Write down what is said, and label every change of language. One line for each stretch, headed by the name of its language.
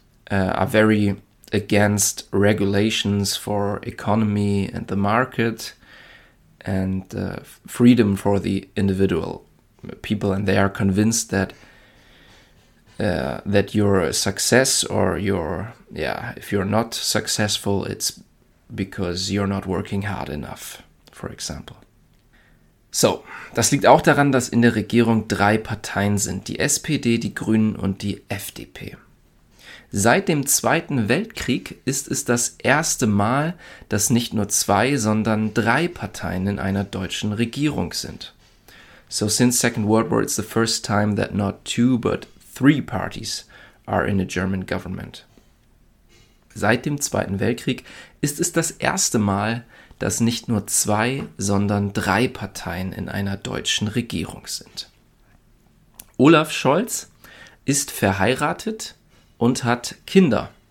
English: are very against regulations for economy and the market and freedom for the individual people, and they are convinced that that your success or your if you're not successful, it's because you're not working hard enough, for example.
German: So, das liegt auch daran, dass in der Regierung drei Parteien sind, die SPD, die Grünen und die FDP. Seit dem Zweiten Weltkrieg ist es das erste Mal, dass nicht nur zwei, sondern drei Parteien in einer deutschen Regierung sind.
English: So since Second World War, it's the first time that not two, but three parties are in a German government.
German: Seit dem Zweiten Weltkrieg ist es das erste Mal, dass nicht nur zwei, sondern drei Parteien in einer deutschen Regierung sind. Olaf Scholz ist verheiratet und hat Kinder.